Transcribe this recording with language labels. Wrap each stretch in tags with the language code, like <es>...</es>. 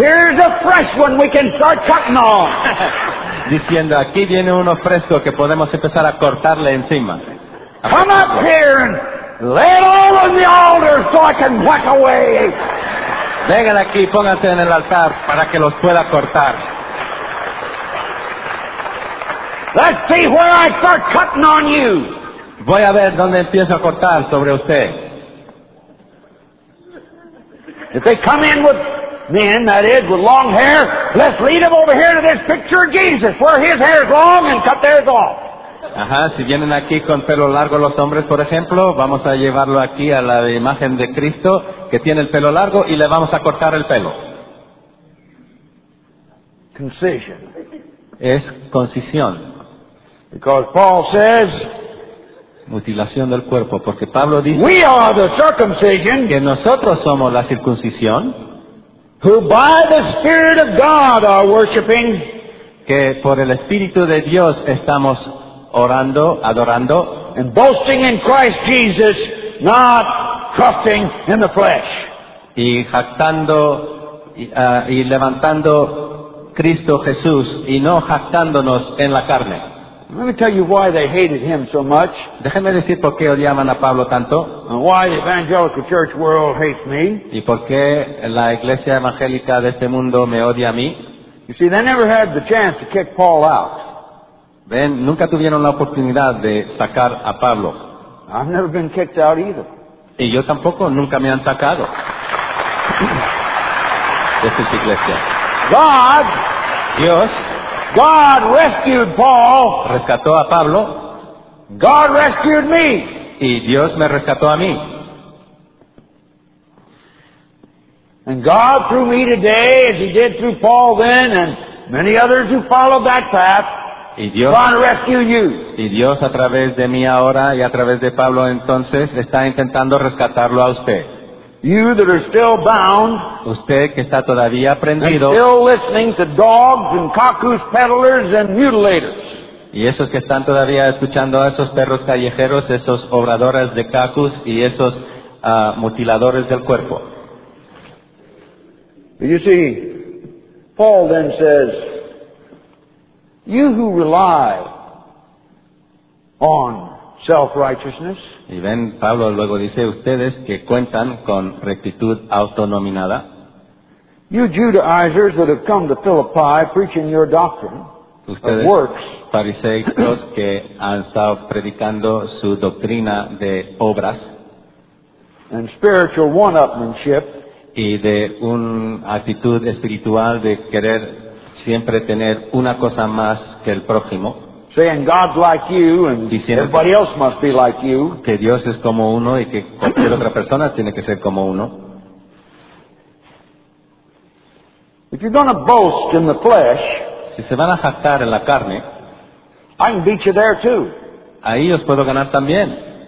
<en>Here's a fresh one we can start cutting on.</en> <es>Diciendo, aquí viene uno fresco que podemos empezar a cortarle encima.</es> <en>Come up here and lay it all on the altar so I can whack away.</en> <es>Vengan aquí, pónganse en el altar para que los pueda cortar.</es> <en>Let's see where I start cutting on you.</en> <es>Voy a ver dónde empiezo a cortar sobre usted.</es> <en>If they come in with men, that is, with long hair, let's lead them over here to this picture of Jesus, where his hair is long, and cut theirs off.</en> <es>Ajá, si vienen aquí con pelo largo los hombres, por ejemplo, vamos a llevarlo aquí a la imagen de Cristo, que tiene el pelo largo, y le vamos a cortar el pelo.</es> <en>Concision.</en> <es>Es concisión.</es> <en>Because Paul says,</en> <es>mutilación del cuerpo, porque Pablo dice,</es> <en>we are the circumcision,</en> <es>que nosotros somos la circuncisión,</es> <en>who by the Spirit of God are worshiping,</en> <es>que por el Espíritu de Dios estamos orando, adorando,</es> <en>and boasting in Christ Jesus, not trusting in the flesh.</en> <es>Y jactando y levantando Cristo Jesús y no jactándonos en la carne.</es> <en>Let me tell you why they hated him so much.</en> <es>Déjeme decir por qué odiaban a Pablo tanto.</es> <en>And why the evangelical church world hates me.</en> <es>Y por qué la iglesia evangélica de este mundo me odia a mí.</es> <en>You see, they never had the chance to kick Paul out.</en> <es>Ven, nunca tuvieron la oportunidad de sacar a Pablo.</es> <en>I've never been kicked out either.</en> <es>Y yo tampoco, nunca me han sacado de esta iglesia.</es> <en>God.</en> <es>Dios.</es> <en>God rescued Paul.</en> <es>Rescató a Pablo.</es> <en>God rescued me.</en> <es>Y Dios me rescató a mí.</es> <en>And God through me today, as He did through Paul then, and many others who followed that path,</en> <es>Dios,</es> <en>God rescued you.</en> <es>Y Dios a través de mí ahora y a través de Pablo entonces está intentando rescatarlo a usted.</es> <en>You that are still bound,</en> <es>usted que está todavía prendido,</es> <en>still listening to dogs and cuckoos peddlers and mutilators,</en> <es>y esos que están todavía escuchando a esos perros callejeros, esos obradores de cuckoos y esos mutiladores del cuerpo.</es> <en>You see, Paul then says, "You who rely on." Self-righteousness.</en> <es>Y ven, Pablo luego dice, ustedes que cuentan con rectitud autonominada.</es> <en>You Judaizers that have come to Philippi preaching your doctrine</en> <es>ustedes,</es> <en>of works.</en> <es>Ustedes, fariseos que han estado predicando su doctrina de obras.</es> <en>And spiritual one-upmanship.</en> <es>Y de una actitud espiritual de querer siempre tener una cosa más que el prójimo.</es> <en>Saying God's like you and everybody else must be like you.</en> <es>Que Dios es como uno y que cualquier otra persona tiene que ser como uno.</es> <en>If you're going to boast in the flesh,</en> <es>si se van a jactar en la carne,</es> <en>I can beat you there too.</en> <es>Ahí os puedo ganar también.</es>